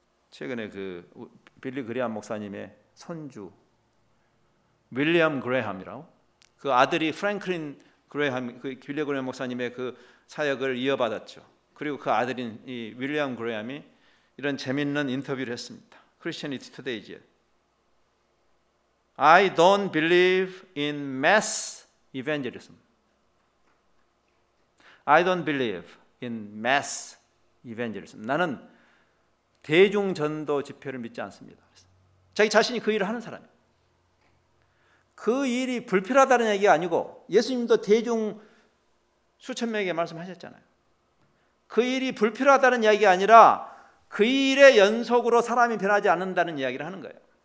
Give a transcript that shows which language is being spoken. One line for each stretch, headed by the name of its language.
Korean: 최근에 그 빌리 그레함 목사님의 손주 윌리엄 그레함이라고 그 아들이 프랭클린 그레함 그 빌리 그레함 목사님의 그 사역을 이어받았죠. 그리고 그 아들인 이 윌리엄 그레함이 이런 재밌는 인터뷰를 했습니다.
English: 크리스천이티 투데이지에 I don't believe in mass evangelism. I don't believe in mass evangelism.
Korean: 나는 대중전도 집회를 믿지 않습니다. 자기 자신이 그 일을 하는 사람이에요. 그 일이 불필요하다는 얘기가 아니고 예수님도 대중 수천 명에게 말씀하셨잖아요. 그 일이 불필요하다는 이야기가 아니라 그 일의 연속으로 사람이 변하지 않는다는 이야기를 하는 거예요.